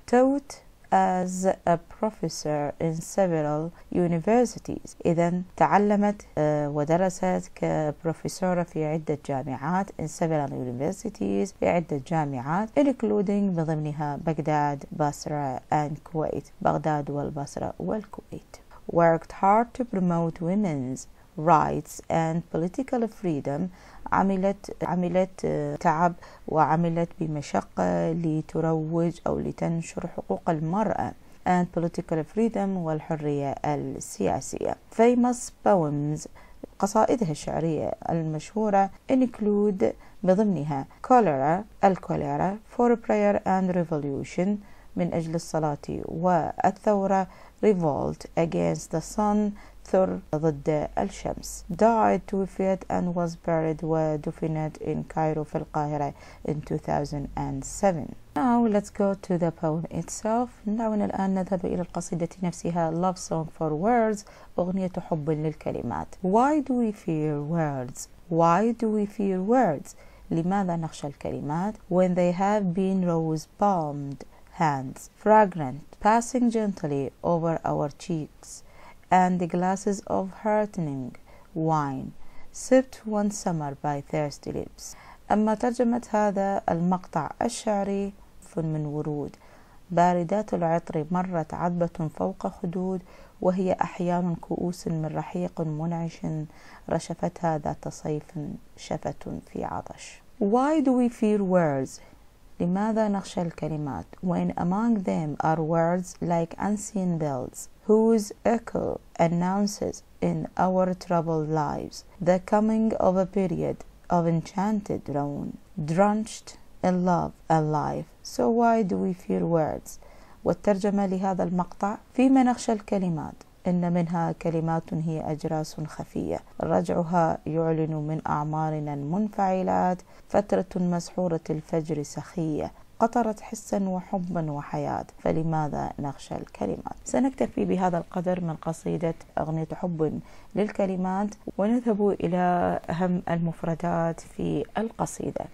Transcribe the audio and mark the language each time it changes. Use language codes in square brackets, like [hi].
[en] Taught as a professor in several universities. [ar] إذن تعلمت ودرست كبروفيسورة في عدة جامعات, [en] in several universities, [ar] في عدة جامعات, [en] including [ar] بضمنها بغداد, بصرة, [en] and Kuwait. [ar] بغداد والبصرة والكويت. [en] Worked hard to promote women's rights and political freedom. [ar] عملت تعب وعملت بمشقة لتروج أو لتنشر حقوق المرأة [en] and political freedom [ar] والحرية السياسية. [en] Famous poems, [ar] قصائدها الشعرية المشهورة, [en] include [ar] بضمنها الكوليرا, [en] for prayer and revolution, [ar] من أجل الصلاة والثورة, [en] revolt against the sun, [ar] ثر ضد الشمس. [en] Died, [ar] توفيت, [en] and was buried, [ar] ودفنت [en] in Cairo [ar] في القاهرة [en] in 2007. Now let's go to the poem itself. [ar] دعونا الآن نذهب إلى القصيدة نفسها, Love Song for Words, أغنية حب للكلمات. [en] Why do we fear words? Why do we fear words? [ar] لماذا نخشى الكلمات؟ [en] When they have been rose-balmed hands, fragrant, passing gently over our cheeks, and the glasses of heartening wine sipped one summer by thirsty lips. [ar] أما ترجمة هذا المقطع الشعري, من ورود باردات العطر مرت عذبة فوق خدود, وهي أحيان كؤوس من رحيق منعش رشفتها ذات صيف شفة في عطش. [en] Why do we fear words? [ar] لماذا نخشى الكلمات؟ [en] When among them are words like unseen bells, whose echo announces in our troubled lives the coming of a period of enchanted drone, drenched in love and life. So why do we fear words? [ar] والترجمة لهذا المقطع, فيما نخشى الكلمات, إن منها كلمات هي أجراس خفية, رجعها يعلن من أعمارنا المنفعلات, فترة مسحورة الفجر سخية, قطرت حسا وحبا وحياة, فلماذا نخشى الكلمات؟ سنكتفي بهذا القدر من قصيدة أغنية حب للكلمات, ونذهب إلى أهم المفردات في القصيدة.